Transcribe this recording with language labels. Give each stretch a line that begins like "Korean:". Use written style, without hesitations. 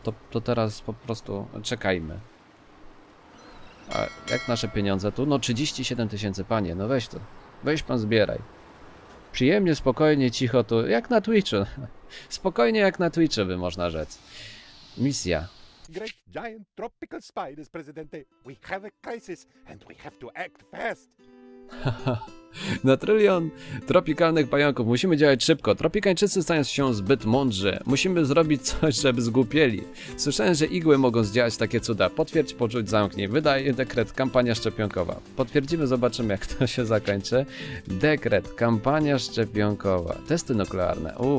Polish: To teraz po prostu czekajmy. A jak nasze pieniądze tu? No 37 tysięcy, panie. No weź to. Weź pan, zbieraj. Przyjemnie, spokojnie, cicho tu. Jak na Twitchu. Spokojnie jak na Twitchu, by można rzec. Misja.
English: Great giant tropical spiders, presidente. We have a crisis and we have to act fast.
Polish: Na trylion tropikalnych pająków. Musimy działać szybko. Tropikańczycy stają się zbyt mądrzy. Musimy zrobić coś, żeby zgłupieli. Słyszałem, że igły mogą zdziałać takie cuda. Potwierdź, poczuć, zamknij. Wydaj dekret, kampania szczepionkowa. Potwierdzimy, zobaczymy, jak to się zakończy. Dekret, kampania szczepionkowa. Testy nuklearne.